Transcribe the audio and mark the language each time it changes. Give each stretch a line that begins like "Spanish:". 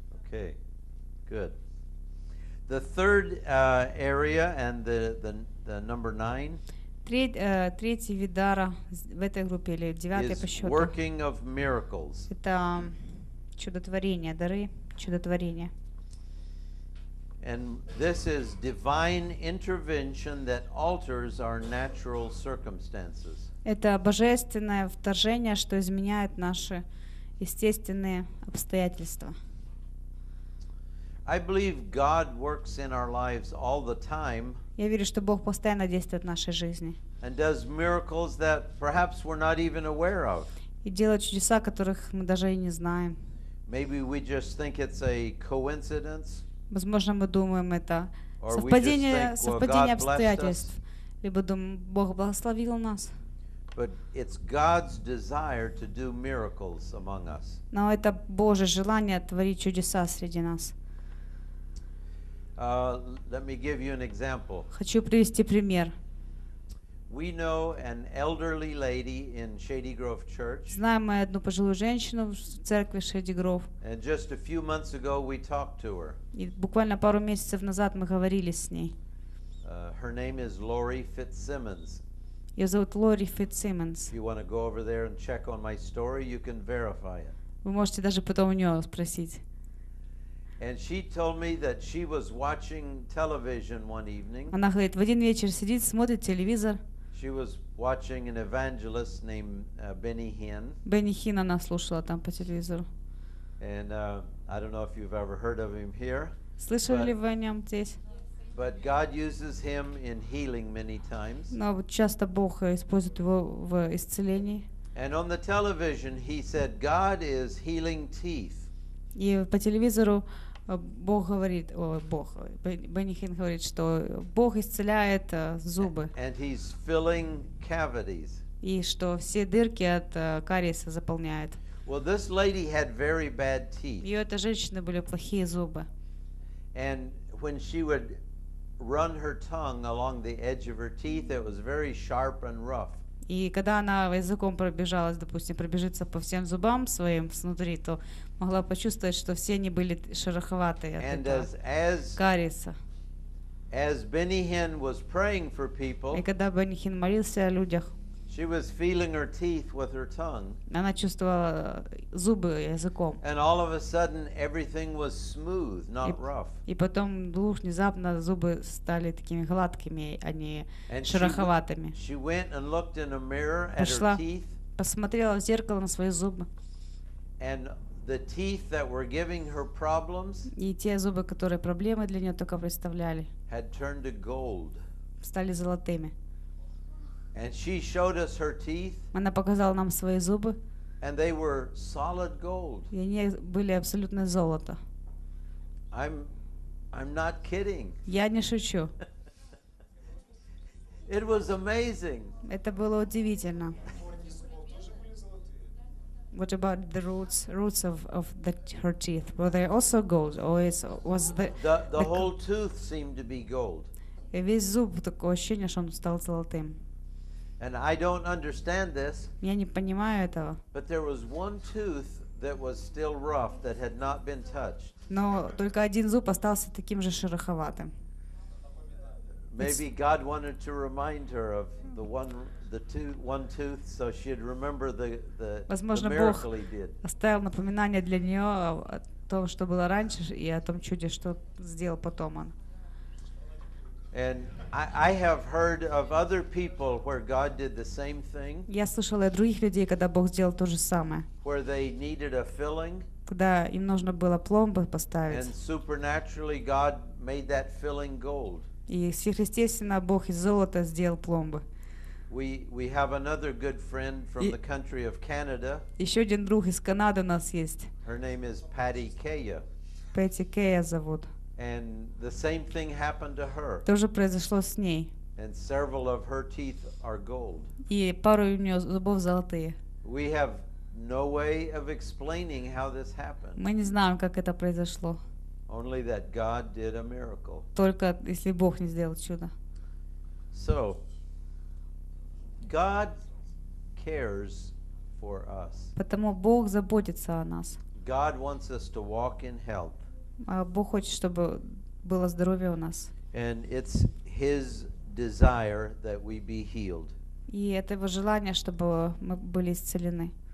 English: Okay. Good. The third area and the number nine.
Russian: Третий вид дара в этой группе или девятый по счету.
English: Working of miracles.
Russian: Это чудотворение, дары, чудотворение.
English: And this is divine intervention that alters our natural circumstances.
Russian: Это божественное вторжение, что изменяет наши естественные обстоятельства.
English: I believe God works in our lives all the time.
Russian: Я верю, что Бог постоянно действует в нашей жизни.
English: And does miracles that perhaps we're not even aware of.
Russian: И делает чудеса, которых мы даже и не знаем.
English: Maybe we just think it's a coincidence.
Russian: Возможно, мы думаем это совпадение обстоятельств. Либо думаем, Бог благословил нас.
English: But it's God's desire to do miracles among us.
Russian: Но это Божье желание творить чудеса среди нас.
English: Let me give you an example.
Russian: Хочу привести пример.
English: We know an elderly lady in Shady Grove Church.
Russian: Знаем мы одну пожилую женщину в церкви Shady Grove.
English: And just a few months ago we talked to her.
Russian: И буквально пару месяцев назад мы говорили с ней.
English: Her name is Lori Fitzsimmons.
Russian: Её зовут Лори Фитцсимонс.
English: If you want to go over there and check on my story, you can verify it.
Russian: Вы можете даже потом у неё спросить.
English: And she told me that she was watching television one evening.
Russian: Она говорит, в один вечер сидит, смотрит телевизор.
English: She was watching an evangelist named Benny Hinn.
Russian: Бенни Хинн она слушала там по телевизору.
English: And I don't know if you've ever heard of him here.
Russian: Слышали ли вы о нем здесь?
English: But God uses him in healing many times.
Russian: Но часто Бог использует его в исцелении.
English: And on the television he said, God is healing teeth.
Russian: И по телевизору Бог говорит, Бенни Хинн говорит, что Бог исцеляет зубы.
English: And he's filling cavities.
Russian: И что все дырки от кариеса заполняет.
English: Well, this lady had very bad teeth.
Russian: И у этой женщины были плохие зубы.
English: And when she would run her tongue along the edge of her teeth, it was very sharp and rough.
Russian: И когда она языком пробежалась, допустим, пробежится по всем зубам своим внутри, то могла почувствовать, что все они были шероховатые от кариеса.
English: As Benny Hinn was praying for people,
Russian: и когда Бенни Хинн молился о людях,
English: She was feeling her teeth with her tongue.
Russian: Она чувствовала зубы языком.
English: And all of a sudden, everything was smooth, not rough.
Russian: И потом вдруг внезапно зубы стали такими гладкими, а не шероховатыми.
English: She went and looked in a mirror at her teeth.
Russian: Посмотрела в зеркало на свои зубы.
English: And the teeth that were giving her problems.
Russian: И те зубы, которые проблемы для нее только представляли.
English: Had turned to gold.
Russian: Стали золотыми.
English: And she showed us her teeth.
Russian: Она показала нам свои зубы.
English: And they were solid gold.
Russian: И они были абсолютно золото.
English: I'm not kidding.
Russian: Я не шучу.
English: It was amazing.
Russian: Это было удивительно.
English: What about the roots of the her teeth? Were they also gold, or was the whole tooth seemed to be gold?
Russian: И весь зуб такое ощущение, что он стал золотым.
English: And I don't understand this.
Russian: Я не понимаю этого.
English: But there was one tooth that was still rough that had not been touched.
Russian: Но только один зуб остался таким же шероховатым.
English: Maybe God wanted to remind her of the one tooth, so she'd remember the miracle he did.
Russian: Оставил напоминание для нее о том, что было раньше, и о том чуде, что сделал потом он.
English: And I have heard of other people where God did the same thing.
Russian: Я слышала о других людей, когда Бог сделал то же самое.
English: Where they needed a filling.
Russian: Когда им нужно было пломбы поставить.
English: And supernaturally, God made that filling gold.
Russian: И сверхъестественно Бог из золота сделал пломбы.
English: We have another good friend from the country of Canada.
Russian: Еще один друг из Канады у нас есть.
English: Her name is Patty Kaya.
Russian: Пэтти Кея зовут.
English: And the same thing happened to her.
Russian: Тоже произошло с ней.
English: And several of her teeth are gold.
Russian: И пару у нее зубов золотые.
English: We have no way of explaining how this happened.
Russian: Мы не знаем, как это произошло.
English: Only that God did a miracle.
Russian: Только если Бог не сделал чудо.
English: So, God cares for us.
Russian: Потому Бог заботится о нас.
English: God wants us to walk in health.
Russian: Бог хочет, чтобы было здоровье у нас.
English: And it's His desire that we be healed.
Russian: И это Его желание, чтобы мы были исцелены.